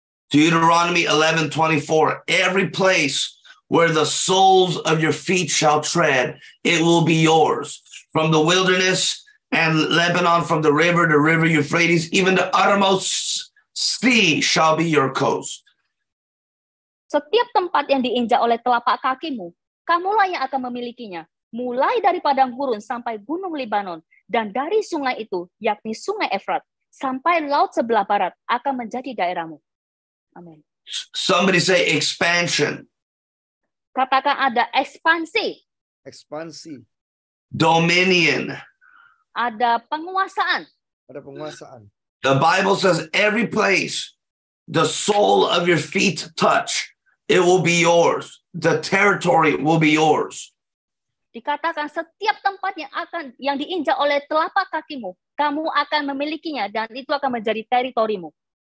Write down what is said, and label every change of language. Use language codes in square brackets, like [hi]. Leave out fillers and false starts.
[en] Deuteronomy 11:24. Every place where the soles of your feet shall tread, it will be yours. From the wilderness and Lebanon, from the river Euphrates, even the uttermost sea shall be your coast. [id] Setiap tempat yang diinjak oleh telapak kakimu, kamulah yang akan memilikinya. Mulai dari padang gurun sampai gunung Lebanon, dan dari sungai itu, yakni sungai Efrat, sampai laut sebelah barat akan menjadi daerahmu. Amen. [en] Somebody say expansion. [id] Katakan ada ekspansi. Ekspansi. [en] Dominion. [id] Ada penguasaan. Ada penguasaan. [en] The Bible says every place the sole of your feet touch, it will be yours. The territory will be yours. [id] Dikatakan setiap tempat yang diinjak oleh telapak kakimu, kamu akan memilikinya dan itu akan menjadi teritorimu.